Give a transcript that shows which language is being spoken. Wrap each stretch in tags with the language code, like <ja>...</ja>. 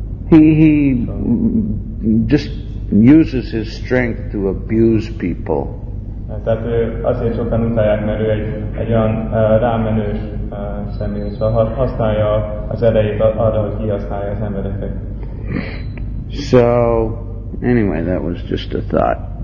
<en>He just uses his strength to abuse people.</en> <hu>Tehát ő azért sokan utálják, mert ő egy olyan rámenős személy, szóval használja az erejét arra, hogy kihasználja az embereket.</hu> <en>So, anyway, that was just a thought.</en>